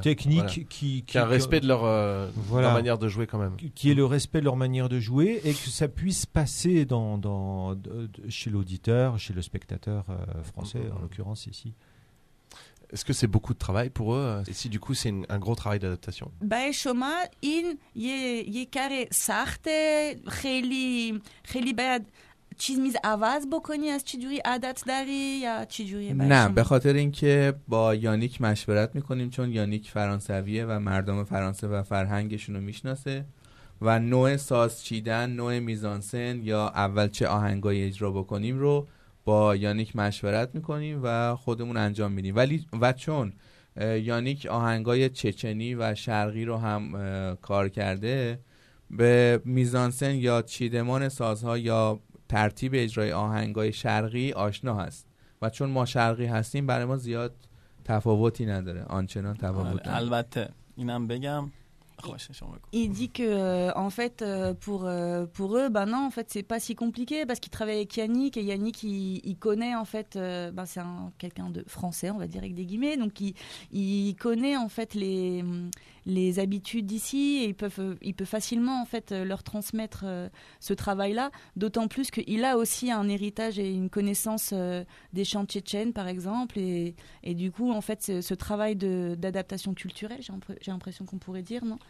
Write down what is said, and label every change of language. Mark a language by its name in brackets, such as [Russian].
[Persian] Qui est un respect de leur, voilà, leur manière de jouer quand même. Qui est le respect de leur manière de jouer et que ça puisse passer chez l'auditeur, chez le spectateur français, en l'occurrence ici. Est-ce que c'est beaucoup de travail pour eux? Et si du coup c'est un gros travail d'adaptation? Bah, شما این یه کار سخته، خیلی خیلی باید چیز میز عوض بکنی، از چی جوری عادت داری یا چی جوری باشی؟ نه، به خاطر اینکه با یانیک مشورت میکنیم، چون یانیک فرانسویه و مردم فرانسه و فرهنگشون رو میشناسه و نوع ساز چیدن، نوع میزانسن یا اول چه آهنگای اجرا بکنیم رو با یانیک مشورت میکنیم و خودمون انجام میدیم. ولی و چون یانیک آهنگای چچنی و شرقی رو هم کار کرده، به میزانسن یا چیدمان سازها یا ترتیب اجرای آهنگای شرقی آشنا هست و چون ما شرقی هستیم برای ما زیاد تفاوتی نداره، آنچنان تفاوت داره. البته اینم بگم، [French] il dit que en fait pour eux ben non en fait c'est pas si compliqué parce qu'il travaille avec Yannick et Yannick il connaît en fait ben c'est quelqu'un de français on va dire avec des guillemets donc il connaît en fait les habitudes d'ici et il peut facilement en fait leur transmettre ce travail là d'autant plus que il a aussi un héritage et une connaissance des chants tchétchènes par exemple et du coup en fait ce travail d'adaptation culturelle j'ai l'impression qu'on pourrait dire non.